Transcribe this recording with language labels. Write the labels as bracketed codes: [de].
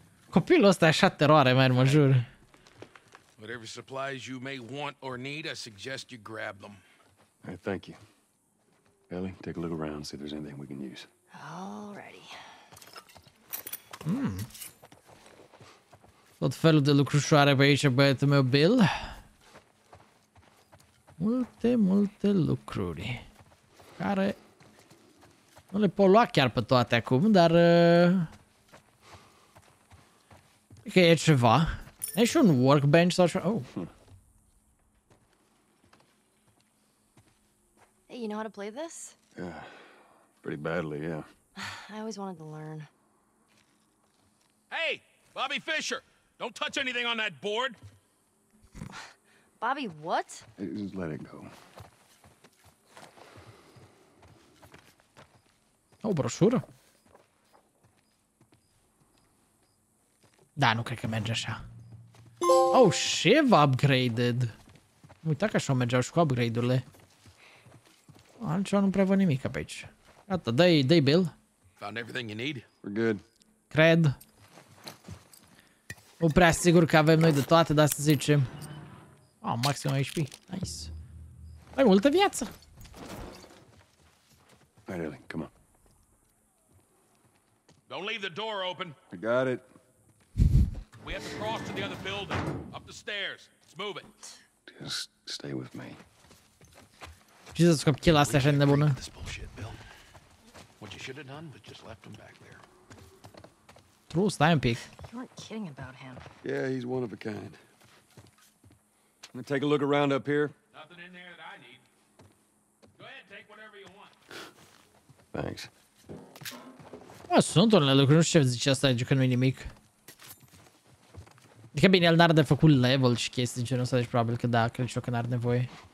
[ro] Copilul ăsta e așa teroare, man, mă jur. [en] Whatever supplies you may want or need, I suggest you grab them. Hey, thank you. Ellie, take a look around, see if there's anything we can use. Alrighty. [ro] Tot felul de lucrușoare pe aici, băiatul meu, Bill. Multe, multe lucruri care nu le pot lua chiar pe toate acum, dar cred că e ceva. E și un workbench sau așa. Oh. [en] Hey, you know how to play this? Yeah. Pretty badly, yeah. I always wanted to learn. Hey, Bobby Fischer. Don't touch anything on that board. Bobby, what? Just let it go. [ro] O broșură? Da, nu cred că merge așa. [en] Oh, shiv upgraded. [ro] Uita că așa mergeau și cu upgrade-urile. Altceva nu prea văd nimic pe aici. Gata, dă-i Bill. [en] Found everything you need? We're good. [ro] Cred. Nu prea sigur că avem noi de toate, dar să zicem. Oh, [en] maximum HP. Nice. [ro] Mai multă viață. Hai, [en] Ellie, come on. Don't leave the door open. I got it. We have to cross to the other building. Up the stairs. Let's move it. Just stay with me. [ro] Jesus, cum chela asta așa nebună? [en] What you should have done, but just left him back there. [ro] True, stai un pic. [en] You weren't kidding about him. Yeah, he's one of a kind. I'm gonna take a look around up here. Nothing in there that I need. Go ahead, take whatever you want. Thanks. [ro] Mă, sunt unele lucruri, nu știu ce zice asta, adică nu-i nimic. Adică bine, el n-ar de făcut level și chestii genul ăsta, deci probabil că da, cred și eu că n-ar nevoie.